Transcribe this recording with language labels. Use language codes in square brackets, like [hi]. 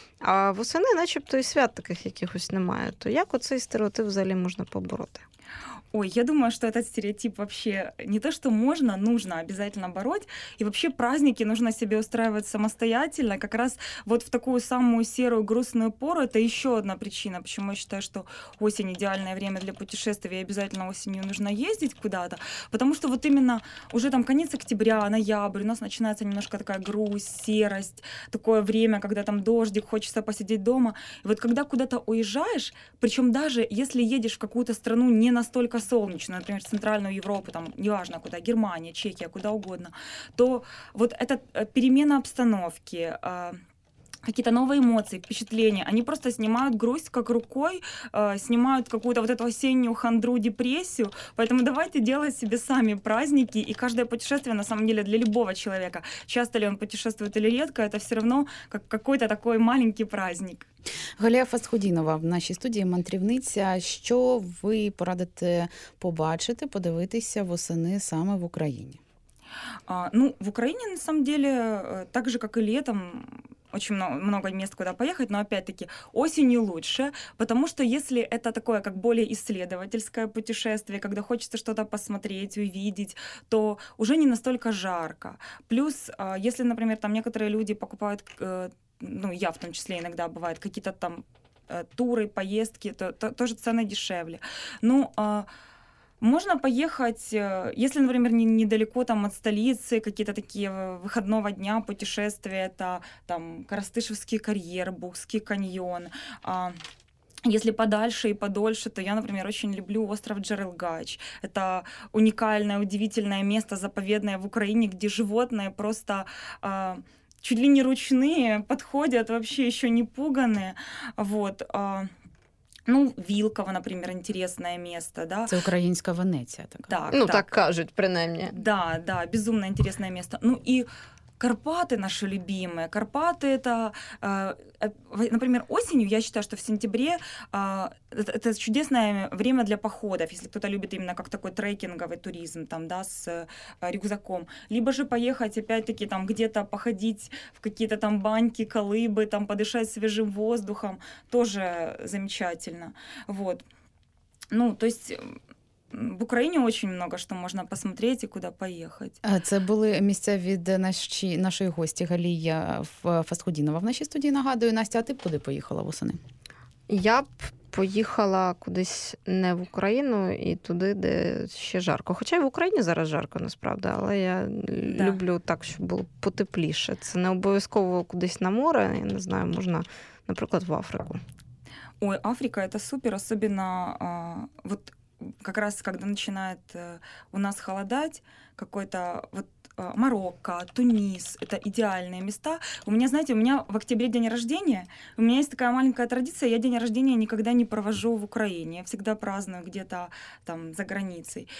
[uk] А восени начебто і свят таких якихось немає. То як оцей стереотип взагалі можна побороти? [ru] Ой, я думаю, что этот стереотип вообще не то, что можно, нужно обязательно бороть. И вообще праздники нужно себе устраивать самостоятельно. Как раз вот в такую самую серую, грустную пору это еще одна причина, почему я считаю, что осень — идеальное время для путешествий, и обязательно осенью нужно ездить куда-то. Потому что вот именно уже там конец октября, ноябрь, у нас начинается немножко такая грусть, серость, такое время, когда там дождик, хочется посидеть дома. И вот когда куда-то уезжаешь, причем даже если едешь в какую-то страну не настолько солнечную, например, Центральную Европу, там, неважно куда, Германия, Чехия, куда угодно, то вот эта перемена обстановки, какие-то новые эмоции, впечатления, они просто снимают грусть как рукой, снимают какую-то вот эту осеннюю хандру, депрессию. Поэтому давайте делать себе сами праздники, и каждое путешествие, на самом деле, для любого человека, часто ли он путешествует или редко, это все равно как какой-то такой маленький праздник. [uk] Галія Фастхудінова в нашій студії, мандрівниця. Що ви порадите побачити, подивитися восени саме в Україні? [ru] Ну, [uk] в Україні, [ru] на самом деле, так же, как и летом, очень много мест, куда поехать, но опять-таки осенью лучше, потому что если это такое, как более исследовательское путешествие, когда хочется что-то посмотреть, увидеть, то уже не настолько жарко. Плюс, если, например, там некоторые люди покупают, ну, я в том числе иногда бывает, какие-то там туры, поездки, то тоже цены дешевле. Ну, можно поехать, если, например, недалеко там от столицы, какие-то такие выходного дня путешествия, это там Коростышевский карьер, Бугский каньон. Если подальше и подольше, то я, например, очень люблю остров Джерелгач. Это уникальное, удивительное место, заповедное в Украине, где животные просто чуть ли не ручные, подходят, вообще еще не пуганые. Вот. [uk] Ну, Вілково, наприклад, інтересне місце, да? Це українська Венеція така. Так, ну, так кажуть, принаймні. Да, безумно інтересне місце. Ну, і [ru] Карпаты наши любимые. Карпаты это, например, осенью, я считаю, что в сентябре это чудесное время для походов, если кто-то любит именно как такой трекинговый туризм, там, да, с рюкзаком. Либо же поехать опять-таки там где-то походить в какие-то там баньки, Колыбы, там подышать свежим воздухом. Тоже замечательно. Вот. Ну, то есть... [uk] В Україні дуже багато, що можна посмотрети і куди поїхати. А це були місця від нашої гості Галія Фасхудінова в нашій студії. Нагадую, Настя, а ти б куди поїхала восени? Я б поїхала кудись не в Україну і туди, де ще жарко. Хоча й в Україні зараз жарко, насправді, але я люблю так, щоб було потепліше. Це не обов'язково кудись на море, я не знаю, можна, наприклад, в Африку. Ой, Африка – це супер, особливо [ru] вот как раз когда начинает у нас холодать, какой-то вот Марокко, Тунис, это идеальные места. У меня, знаете, у меня в октябре день рождения, у меня есть такая маленькая традиция, я день рождения никогда не провожу в Украине, я всегда праздную где-то там за границей.